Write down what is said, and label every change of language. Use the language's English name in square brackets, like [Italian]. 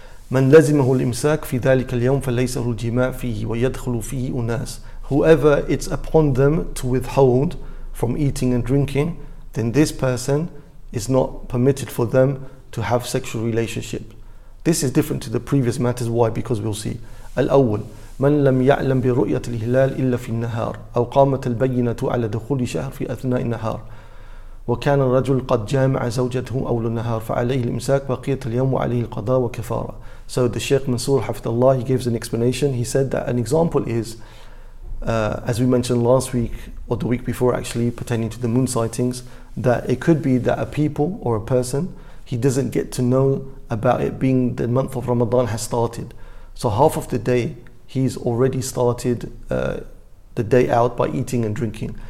[Arabic] مَنْ لَزِمَهُ الْإِمْسَاكِ فِي ذَلِكَ الْيَوْمِ فَلَيْسَهُ الْجِمَاءِ فِيهِ وَيَدْخُلُ فِيهِ أُنَاسِ. [English] Whoever it's upon them to withhold from eating and drinking, then this person is not permitted for them to have sexual relationship. This is different to the previous matters. Why? Because we'll see. [Arabic] الأول من لم يعلم برؤية الهلال إلا في النهار أو قامت البينة على دخول شهر في أثناء النهار وكان الرجل قد جامع زوجته أول النهار فعليه الإمساك بقية اليوم وعليه القضاء وكفارة. [English] So the Sheikh Mansour Hafidhullah, he gives an explanation. He said that an example is, as we mentioned last week or the week before actually, pertaining to the moon sightings, that it could be that a people or a person he doesn't get to know about it being the month of Ramadan has started. So half of the day, he's already started the day out by eating and drinking.